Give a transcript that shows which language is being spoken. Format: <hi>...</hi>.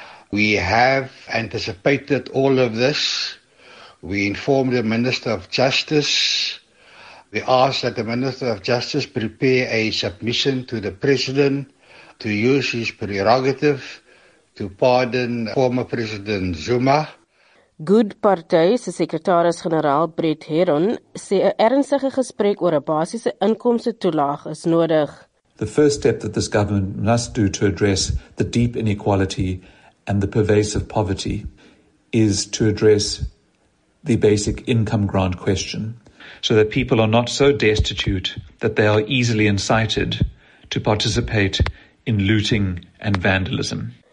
<en>We have anticipated all of this. We informed the Minister of Justice. We ask that the Minister of Justice prepare a submission to the President to use his prerogative to pardon former President Zuma.</en> <af>Good Party se sekretaris-generaal Brett Heron sê 'n ernstige gesprek oor 'n basiese inkomste toelaag is nodig.</af> <en>The first step that this government must do to address the deep inequality and the pervasive poverty is to address the basic income grant question, so that people are not so destitute that they are easily incited to participate in looting and vandalism.</en>